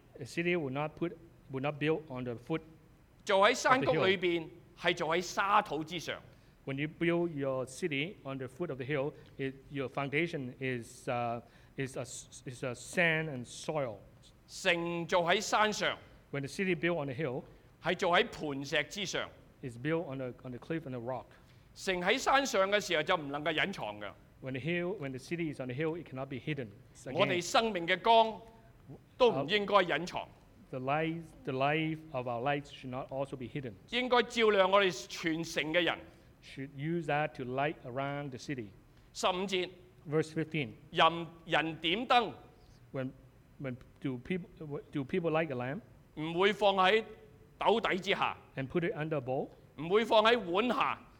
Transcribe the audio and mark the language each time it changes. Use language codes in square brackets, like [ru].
[en] A city will not put, will not build on the foot. [yue] 做喺山谷裏邊係做喺沙土之上。 [en] When you build your city on the foot of the hill, it, your foundation is a sand and soil. [yue] 城做喺山上。 [en] When the city built on a hill, [yue] 係做喺磐石之上。 [en] It's built on a cliff and a rock. [yue] 城喺山上嘅時候就唔能夠隱藏嘅。 [en] When the city is on the hill, it cannot be hidden. [yue] 我哋生命嘅光都唔應該隱藏。 [en] The life of our lights should not also be hidden. [yue] 應該照亮我哋全城嘅人。 [en] Should use that to light around the city. [yue] 十五節。 [en] Verse 15。 [yue] 人點燈。 [en] When do people light a lamp? [yue] 唔會放喺斗底之下。 [en] And put it under a bowl? [yue] 唔會放喺碗下。